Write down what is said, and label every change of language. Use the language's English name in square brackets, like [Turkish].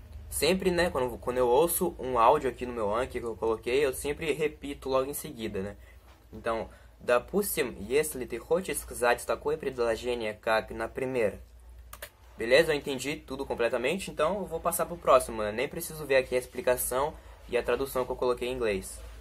[Portuguese] Sempre, né, quando eu ouço um áudio aqui no meu Anki que eu coloquei, eu sempre repito logo em seguida, né? Então, [Russian] допустим, если ты хочешь сказать такое предложение, как, например. Беleza? [Portuguese] Eu entendi tudo completamente, então eu vou passar pro próximo, né? Nem preciso ver aqui a explicação e a tradução que eu coloquei em inglês.